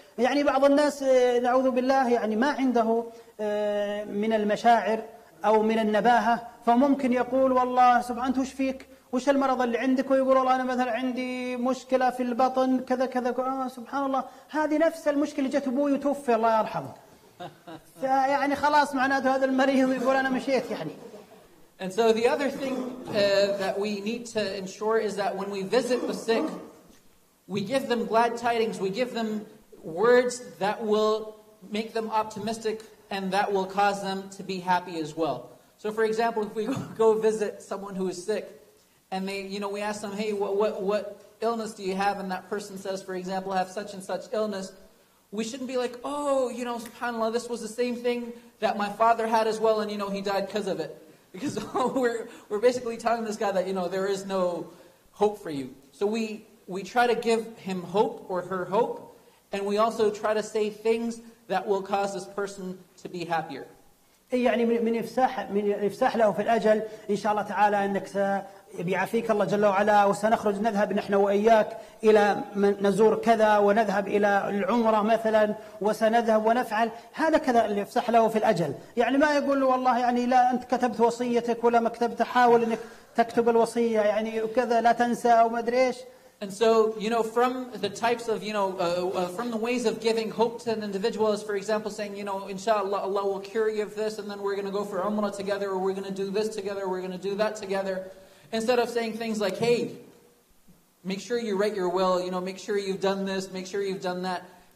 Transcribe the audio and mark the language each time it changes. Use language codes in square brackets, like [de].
[ar] يعني بعض الناس نعوذ بالله يعني ما عنده من المشاعر أو من النباهة، فممكن يقول والله سبحانك وش فيك وش المرض اللي عندك، ويقول والله أنا مثلا عندي مشكلة في البطن كذا كذا، سبحان الله هذه نفس المشكلة جت أبوي وتوفي الله يرحمه، فيعني خلاص معناته هذا المريض يقول أنا مشيت يعني. [en] And so the other thing that we need to ensure is that when we visit the sick, we give them glad tidings, we give them words that will make them optimistic and that will cause them to be happy as well. So for example, if we go visit someone who is sick, and they, you know, we ask them, hey, what illness do you have? And that person says, for example, I have such and such illness. We shouldn't be like, oh, you know, subhanAllah, this was the same thing that my father had as well, and, you know, he died because of it. Because we're basically telling this guy that, you know, there is no hope for you. So we try to give him hope or her hope, and we also try to say things that will cause this person to be happier. [ar] يعني من إفساح له في الأجل إن شاء الله تعالى أنك بيعافيك الله جل وعلا، وسنخرج نذهب نحن وإياك إلى نزور كذا، ونذهب إلى العمرة مثلا، وسنذهب ونفعل هذا كذا. اللي يفسح له في الأجل يعني ما يقول له والله يعني لا أنت كتبت وصيتك ولا مكتبت، حاول أنك تكتب الوصية يعني وكذا لا تنسى أو ما أدري إيش. [en] And so, you know, from the types of, you know, from the ways of giving hope to an individual is, for example, saying, you know, inshallah, Allah will cure you of this, and then we're going to go for umrah together, or we're going to do this together, or we're going to do that together. Instead of saying things like, hey, make sure you write your will, you know, make sure you've done this, make sure you've done that.